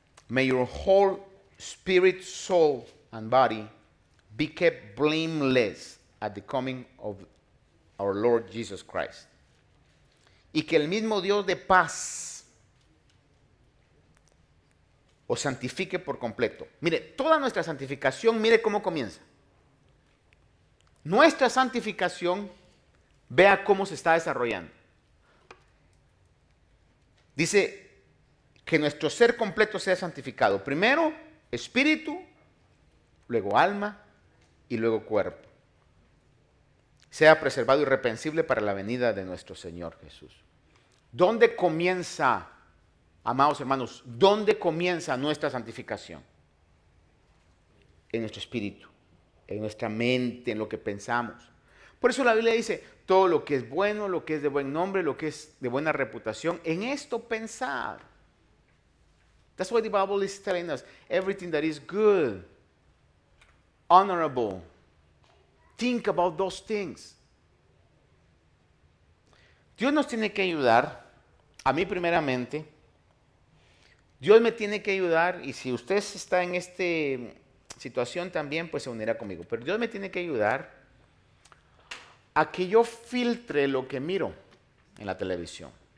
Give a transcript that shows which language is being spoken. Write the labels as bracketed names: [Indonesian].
[English] May your whole spirit, soul, and body be kept blameless at the coming of our Lord Jesus Christ. [Spanish] Y que el mismo Dios de paz os santifique por completo. Mire, toda nuestra santificación, mire cómo comienza. Nuestra santificación, vea cómo se está desarrollando. Dice que nuestro ser completo sea santificado. Primero, espíritu, luego alma y luego cuerpo. Sea preservado irreprensible para la venida de nuestro Señor Jesús. ¿Dónde comienza, amados hermanos, dónde comienza nuestra santificación? En nuestro espíritu, en nuestra mente, en lo que pensamos. Por eso la Biblia dice, todo lo que es bueno, lo que es de buen nombre, lo que es de buena reputación, en esto pensar. [English] That's why the Bible is telling us, everything that is good, honorable, think about those things. [Spanish] Dios nos tiene que ayudar, a mí primeramente, Dios me tiene que ayudar, y si usted está en esta situación también, pues se unirá conmigo. Pero Dios me tiene que ayudar a que yo filtre lo que miro en la televisión.